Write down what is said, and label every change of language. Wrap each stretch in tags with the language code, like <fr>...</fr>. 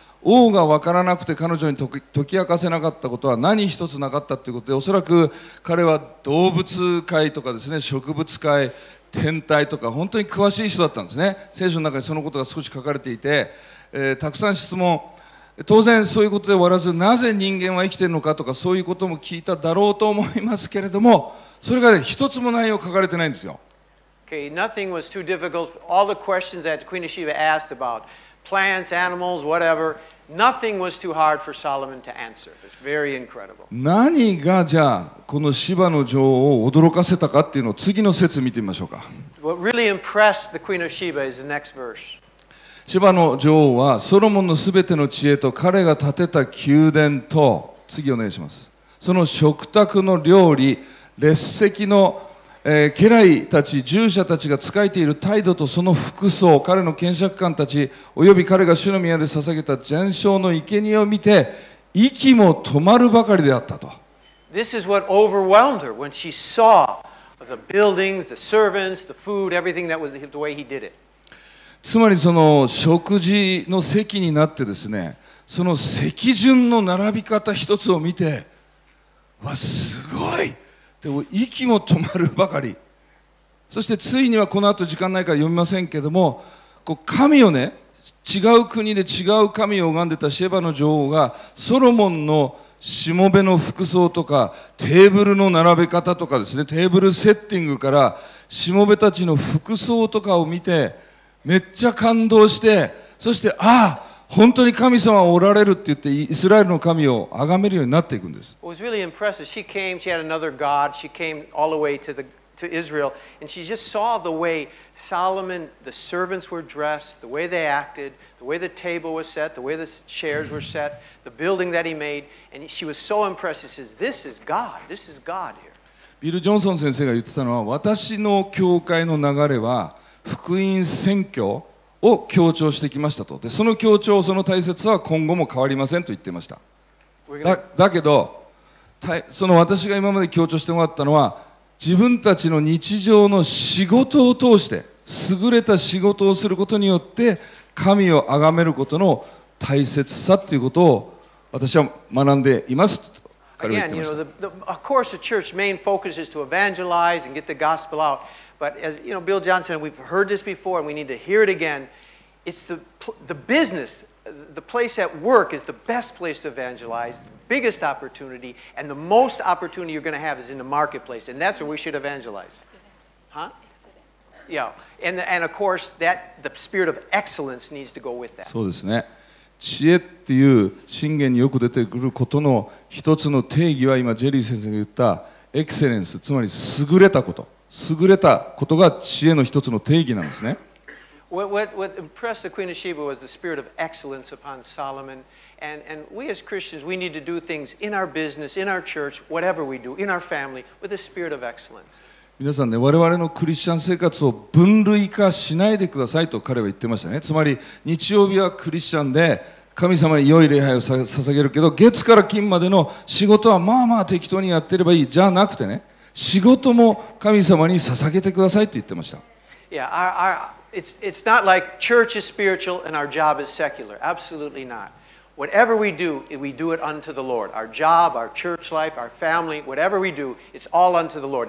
<ja>王が分からなくて彼女に解き明かせなかったことは何一つなかったということで、おそらく彼は動物界とかですね、植物界、天体とか本当に詳しい人だったんですね。聖書の中にそのことが少し書かれていて、たくさん質問、当然そういうことで終わらず、なぜ人間は生きているのかとか、そういうことも聞いただろうと思いますけれども、それが、ね、一つも内容書かれてないんですよ。</ja> <en>Okay, nothing was too difficult. All the questions that Queen of Sheba asked about plants, animals, whatever, nothing was too hard for Solomon to answer. It's very incredible.</en> <ja>何がじゃあこのシバの女王を驚かせたかっていうのを次の説見てみましょうか。</ja> <en>What really impressed the Queen of Sheba is the next verse.</en> <ja>シバの女王はソロモンのすべての知恵と彼が建てた宮殿と、次お願いします。その食卓の料理、列席の家来たち、従者たちが仕えている態度とその服装、彼の検釈官たち、および彼が主の宮で捧げた全焼の生贄を見て、息も止まるばかりであったと。</ja> <en>This is what overwhelmed her when she saw the buildings, the servants, the food, everything that was the way he did it.</en> <ja>つまりその食事の席になってですね、その席順の並び方一つを見て、わ、すごい、でも息も止まるばかり。そしてついにはこの後時間ないから読みませんけども、こう神をね、違う国で違う神を拝んでたシェバの女王がソロモンのしもべの服装とかテーブルの並べ方とかですね、テーブルセッティングからしもべたちの服装とかを見てめっちゃ感動して、そして、ああ本当に神様はおられるって言ってイスラエルの神を崇めるようになっていくんです。</ja> <en>It was really impressive. She came, she had another god. She came all the way to Israel. And she just saw the way Solomon, the servants were dressed, the way they acted, the way the table was set, the way the chairs were set, the building that he made. And she was so impressed. She says, this is God. This is God here.</en> <ja>ビル・ジョンソン先生が言ってたのは、私の教会の流れは福音宣教を強調してきましたと。で、その強調、その大切さは今後も変わりませんと言ってました。だけどその私が今まで強調してもらったのは、自分たちの日常の仕事を通して、優れた仕事をすることによって神を崇めることの大切さということを私は学んでいますと彼は言ってました。</ja> <en>Again, you know, of course the church main focus is to evangelize and get the gospel outBut as you know, Bill Johnson, we've heard this before, and we need to hear it again. It's the business, the place at work is the best place to evangelize, the biggest opportunity, and the most opportunity you're going to have is in the marketplace, and that's where we should evangelize. Huh? Yeah, and of course, that the spirit of excellence needs to go with that.</en> <ja>そうですね。知恵っていう箴言によく出てくることの一つの定義は、今ジェリー先生が言ったエクセレンス、つまり優れたこと。優れたことが知恵の一つの定義なんですね。</ja> <en>What impressed the Queen of Sheba was the spirit of excellence upon Solomon. And we as Christians, we need to do things in our business, in our church, whatever we do, in our family, with a spirit of excellence.</en> <ja>皆さんね、我々のクリスチャン生活を分類化しないでくださいと彼は言ってましたね。つまり日曜日はクリスチャンで神様に良い礼拝を捧げるけど、月から金までの仕事はまあまあ適当にやってればいいじゃなくてね、仕事も神様に捧げてくださいと言ってました。</ja> <en>Yeah, it's not like church is spiritual and our job is secular. Absolutely not. Whatever we do it unto the Lord. Our job, our church life, our family, whatever we do, it's all unto the Lord.</en>